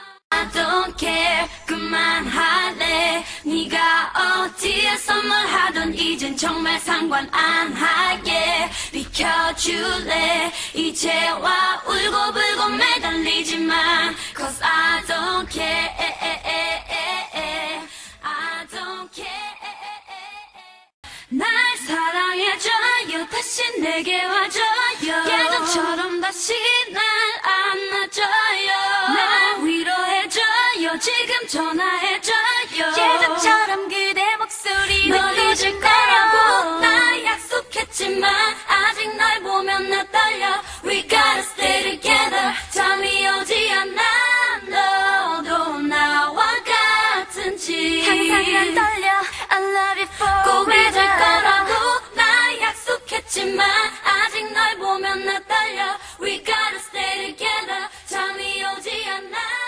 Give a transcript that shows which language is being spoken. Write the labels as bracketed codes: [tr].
[en] I don't care, [ko] 그만할래. 네가 어디에서 뭘 하던 이젠 정말 상관 안 하게. 비켜줄래, 이제 와 울고불고 매달리지만. [en] Cause I don't care, 에에에에에. I don't care, 에에에에에. [ko] 날 사랑해줘요, 다시 내게 와줘요. 예전처럼 다시 날 안아줘요. 날 위로해줘요, 지금 전화해줘요. 예전처럼 그대 목소리 널 잊을 거라고 나 약속했지만 아직 널 보면 나 떨려. [en] We gotta stay together, [ko] 잠이 오지 않아. 너도 나와 같은지 항상 난 떨려. [en] I love you forever. [ko] 꼭 잊을 거라고 나 약속했지만 아직 널 보면 나 떨려. [en] We gotta stay together, [ko] 잠이 오지 않아.